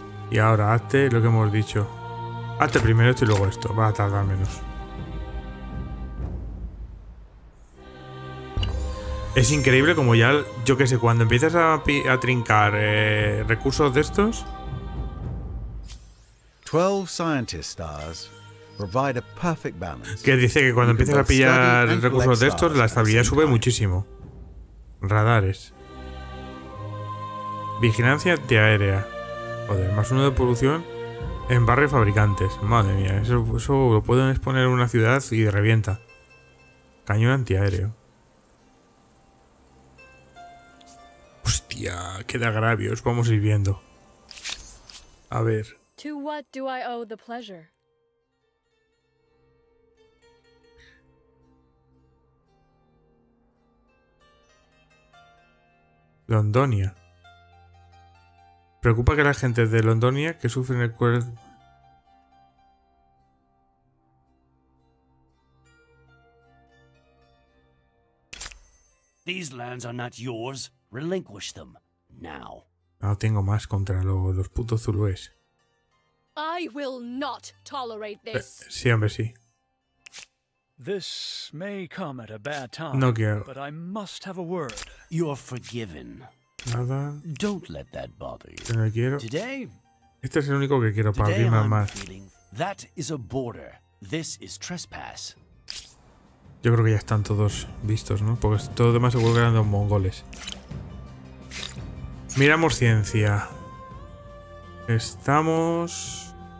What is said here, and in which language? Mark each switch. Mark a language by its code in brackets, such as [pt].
[es] Y ahora hazte lo que hemos dicho. Hazte primero esto y luego esto. Va a tardar menos. Es increíble como ya, yo qué sé, cuando empiezas a trincar recursos de estos. [en] 12 scientist stars provide a perfect balance. [es] Que dice que cuando empiezas a pillar recursos de estos, la estabilidad sube muchísimo. Radares. Vigilancia de aérea. Joder, más uno de producción en barrio fabricantes. Madre mía, eso lo pueden exponer en una ciudad y revienta. Cañón antiaéreo. Hostia, qué de agravios. Vamos a ir viendo. A ver. [en] To what do I owe the pleasure? Londonia. [es] Preocupa que la gente de Londonia que sufren el cuerpo. [en] These lands are not yours. Relinquish them now. [es] No tengo más contra los putos zulúes. [en] I will not tolerate this. [es] Sí, hombre, sí. [en] This may come at a bad time. [es] No quiero. [en] But I must have a word. You're forgiven. [es] Nada. [en] Don't let that bother you. [es] No quiero. [en] Today. [es] Este es el único que quiero para abrirme más. [en] That is a border. This is trespass. [es] Yo creo que ya están todos vistos, ¿no? Porque todo demás seguro que eran los mongoles. Miramos ciencia. Estamos.